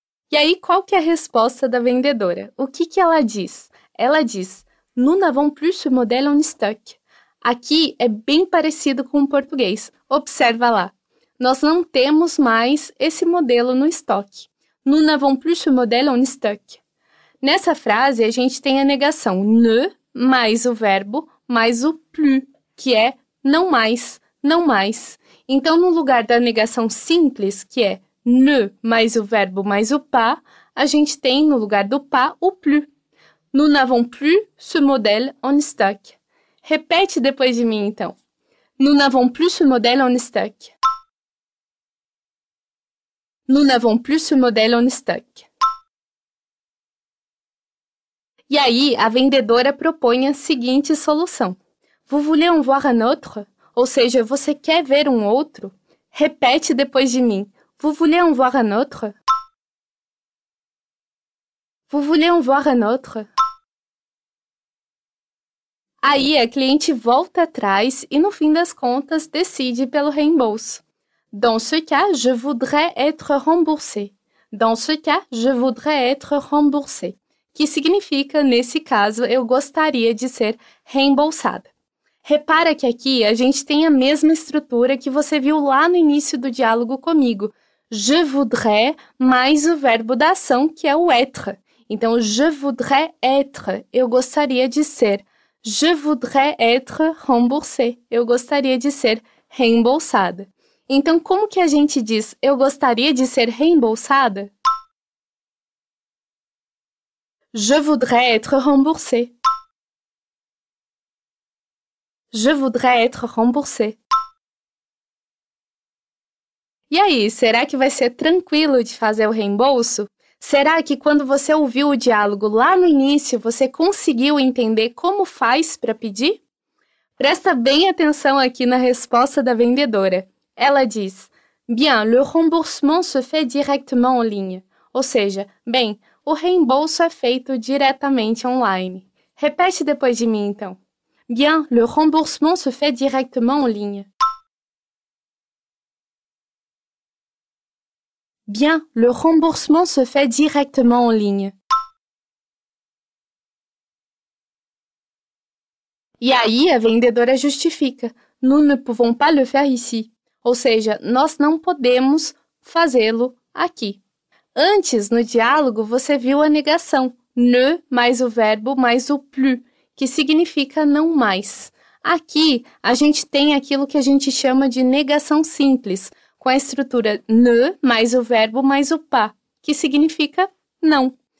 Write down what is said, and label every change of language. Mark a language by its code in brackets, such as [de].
[pt] E aí, qual que é a resposta da vendedora? O que, que ela diz? Ela diz, [fr] nous n'avons plus ce modèle en stock. [pt] Aqui é bem parecido com o português. Observa lá. Nós não temos mais esse modelo no estoque. [fr] Nous n'avons plus ce modèle en stock. [pt] Nessa frase, a gente tem a negação ne mais o verbo mais o plus, que é não mais, não mais. Então, no lugar da negação simples, que é ne mais o verbo mais o pas, a gente tem no lugar do pas o plus. [fr] Nous n'avons plus ce modèle en stock. [pt] Repete depois de mim, então. [fr] Nous n'avons plus ce modèle en stock. Nous n'avons plus ce modèle en stock. [pt] E aí, a vendedora propõe a seguinte solução. [fr] Vous voulez en voir un autre? [pt] Ou seja, você quer ver um outro? Repete depois de mim. [fr] Vous voulez en voir un autre? Vous voulez en voir un autre? [pt] Aí, a cliente volta atrás e, no fim das contas, decide pelo reembolso. [fr] Dans ce cas, je voudrais être remboursé. Dans ce cas, je voudrais être remboursé. [pt] Que significa, nesse caso, eu gostaria de ser reembolsada. Repara que aqui a gente tem a mesma estrutura que você viu lá no início do diálogo comigo. Je voudrais mais o verbo da ação, que é o être. Então, [fr] je voudrais être, [pt] eu gostaria de ser. [fr] Je voudrais être remboursé, [pt] eu gostaria de ser reembolsada. Então, como que a gente diz eu gostaria de ser reembolsada? [fr] Je voudrais être remboursé. Je voudrais être remboursé. [pt] E aí, será que vai ser tranquilo de fazer o reembolso? Será que quando você ouviu o diálogo lá no início, você conseguiu entender como faz para pedir? Presta bem atenção aqui na resposta da vendedora. Ela diz, [fr] bien, le remboursement se fait directement en ligne. [pt] Ou seja, bem, o reembolso é feito diretamente online. Repete depois de mim, então. [fr] Bien, le remboursement se fait directement en ligne. Bien, le remboursement se fait directement en ligne. [pt] E aí, a vendedora justifica. [fr] Nous ne pouvons pas le faire ici. [pt] Ou seja, nós não podemos fazê-lo aqui. Antes, no diálogo, você viu a negação. Ne mais o verbo mais o plus, que significa não mais. Aqui, a gente tem aquilo que a gente chama de negação simples, com a estrutura ne mais o verbo mais o pas, que significa não.